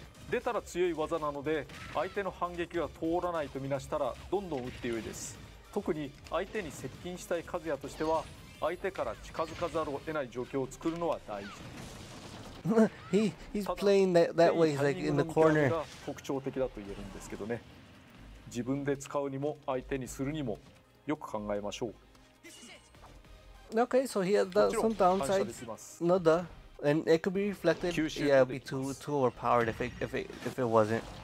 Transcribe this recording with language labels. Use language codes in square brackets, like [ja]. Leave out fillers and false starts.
[ja] 出たら強い技なので相手の反撃が通らないとみなしたらどんどん打って良いです。特に相手に接近したいカズヤとしては相手から近づかざるを得ない状況を作るのは大事。 [en] He's playing that way. He's like in the corner. [ja] 特徴的だと言えるんですけどね。自分で使うにも相手にするにもよく考えましょう。 [en] Okay, so he has some downsides. No duh. And it could be reflected. Yeah, it'd be too overpowered if it wasn't.